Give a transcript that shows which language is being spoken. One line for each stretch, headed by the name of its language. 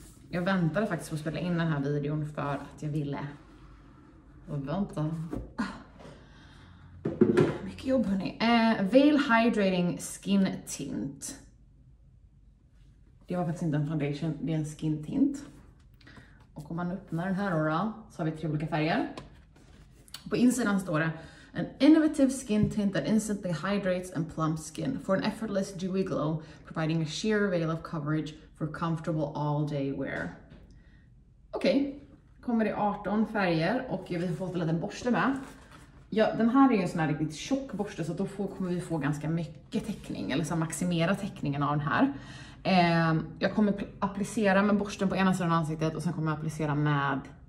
Swedish: Jag väntade faktiskt på att spela in den här videon för att jag ville. Och vänta. Mycket jobb hörni. Veil Hydrating Skin Tint. Det var faktiskt inte en foundation, det är en skin tint. Och om man öppnar den här då, så har vi tre olika färger. På insidan står det:
English: An innovative skin tint that instantly hydrates and plumps skin for an effortless dewy glow, providing a sheer veil of coverage for comfortable all day wear.
Swedish: Okej. Kommer i 18 färger och vi har fått en liten borste med. Ja, den här är ju en sån här riktigt tjock borste, så då kommer vi få ganska mycket täckning. Eller så maximera täckningen av den här. Jag kommer applicera med borsten på ena sidan av ansiktet och sen kommer jag applicera med